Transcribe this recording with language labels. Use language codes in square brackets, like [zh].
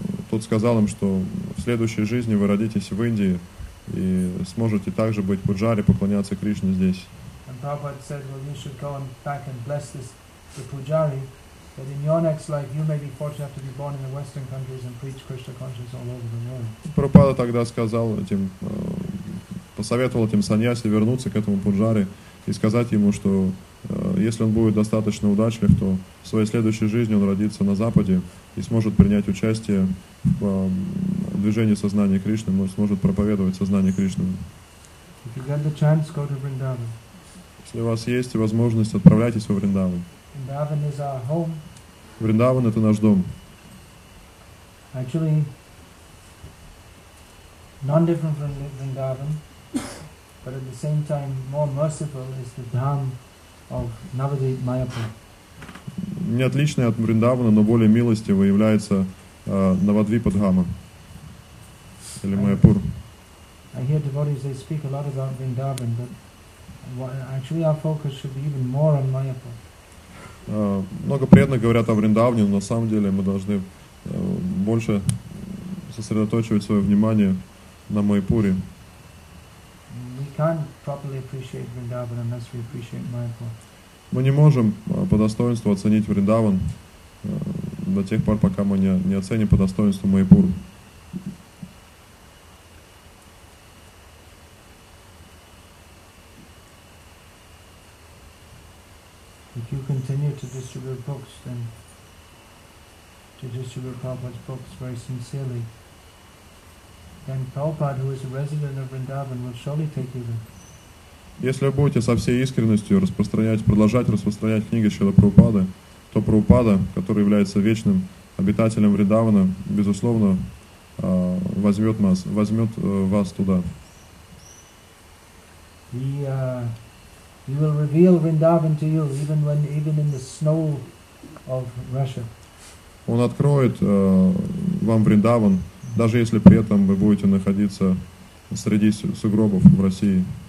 [ru] Тот сказал им, что в следующей жизни вы родитесь в Индии и сможете также быть пуджари, поклоняться Кришне здесь. [en] And Prabhupada said, well, you should go back and bless this, the pujari, that in your next life you may be fortunate to be born in the Western countries and preach Krishna consciousness all over the world. [ru] Прабхупада тогда сказал этим, посоветовал этим саньяси вернуться к этому пуджари и сказать ему, что если он будет достаточно удачлив, то в своей следующей жизни он родится на Западе и сможет принять участие в движении сознания Кришны, но сможет проповедовать сознание Кришны. [en] If you get the chance, go to Vrindavan. [ru] Если у вас есть возможность, отправляйтесь во Вриндаван. [en] Vrindavan is our home. [ru] Вриндаван – это наш дом. [en] Actually, non-different from Vrindavan, but at the same time more merciful is the dham of Navadvip Mayapur. [ru] Не отличное от Вриндавана, но более милостиво является Навадвипа Дхама. Или Майяпур. [en] I hear devotees, they speak a lot about Vrindavan, but actually our focus should be even more on Mayapur. [ru] Много преданных говорят о Вриндаване, но на самом деле мы должны больше сосредоточивать свое внимание на Майяпуре. [en] We can't properly appreciate Vrindavan unless we appreciate Mayapur. [ru] Мы не можем по достоинству оценить Вриндаван до тех пор, пока мы не оценим по достоинству Майяпур. [en] If you continue to distribute books, then to distribute Prabhupada's books very sincerely, then Prabhupada, who is a resident of Vrindavan, will surely take you there. [ru] Если вы будете со всей искренностью продолжать распространять книги Шрилы Прабхупады, то Прабхупада, который является вечным обитателем Вриндавана, безусловно, возьмет вас туда. [en] He will reveal Vrindavan to you even in the snow of Russia. [ru] Он откроет вам Вриндаван, даже если при этом вы будете находиться среди сугробов в России.